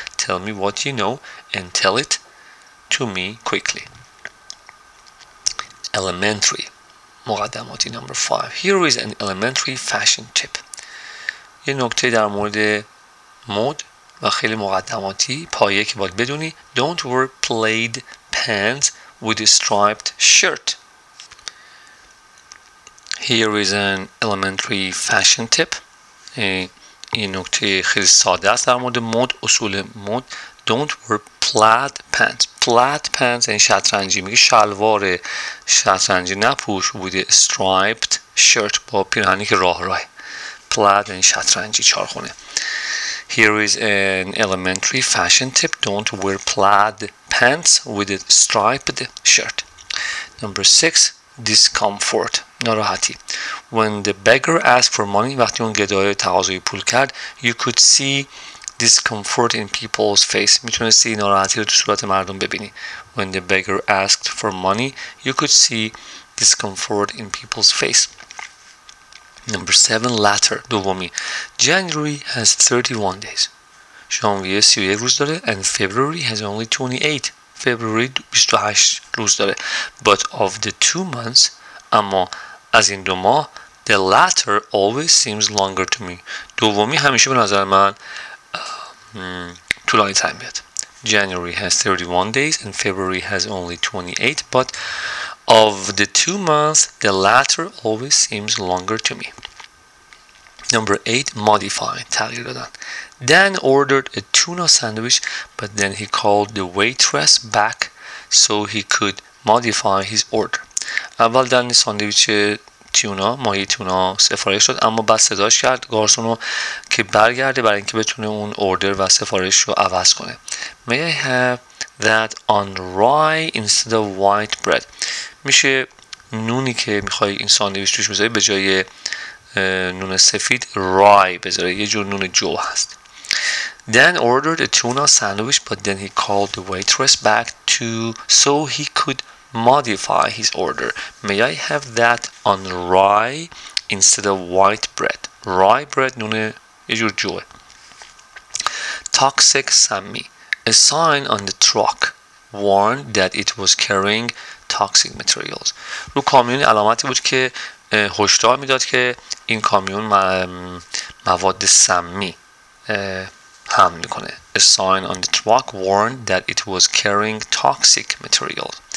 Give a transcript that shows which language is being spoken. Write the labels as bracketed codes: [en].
[en] Tell me what you know. And tell it to me quickly. Elementary. [fa] مقدماتی [en] number 5. Here is an elementary fashion tip. [fa] یه نکته در مورد مد و خیلی مقدماتی پایه که باید بدونی. [en] Don't wear plaid pants with a striped shirt. Here is an elementary fashion tip. [fa] یه نکته خیلی ساده است در مورد مد. اصول مد. [en] Don't wear plaid pants. Plaid pants [fa] یعنی شطرنجی. میگه شلوار شطرنجی نپوش. [en] With a striped shirt. [fa] با پیرهنی که راه راه. [en] Plaid [fa] یعنی شطرنجی چارخونه. [en] Here is an elementary fashion tip. Don't wear plaid pants with a striped shirt. Number 6. Discomfort. [fa] ناراحتی. [en] When the beggar asked for money. [fa] وقتی اون گدای تقاضای پول کرد. [en] You could see discomfort in people's face. [fa] میتونستی ناراحتی رو تو صورت مردم ببینی. [en] When the beggar asked for money, you could see discomfort in people's face. Number 7, latter. [fa] دومی. [en] January has 31 days. [fa] ژانویه 31 روز داره. [en] And February has only 28. [fa] February 28 روز داره. [en] But of the two months, [fa] اما از این دو ماه, [en] the latter always seems longer to me. [fa] دومی همیشه به نظر من [en] too long time yet. January has 31 days and February has only 28, but of the two months, the latter always seems longer to me. Number 8, modify. [fa] تغییر دادن. [en] Dan ordered a tuna sandwich, but then he called the waitress back so he could modify his order. [fa] اول دن ساندویچ تونا ماهی تونا سفارش داد اما بعد صداش کرد گارسونو که برگرده برای اینکه بتونه اون اوردر و سفارش رو عوض کنه. [en] May I have that on rye instead of white bread. [fa] میشه نونی که میخوای این ساندویچ توش بذاری به جای نون سفید رای بذاری. یه جور نون جو هست. [en] Then ordered a tuna sandwich but then he called the waitress back to so he could modify his order. May I have that on rye instead of white bread? Rye bread, [fa] نونه یه جور جوه. [en] Toxic sammy. A sign on the truck warned that it was carrying toxic materials. [fa] رو کامیون علامتی بود که هشدار میداد که این کامیون مواد سمی پهن میکنه. [en] A sign on the truck warned that it was carrying toxic material.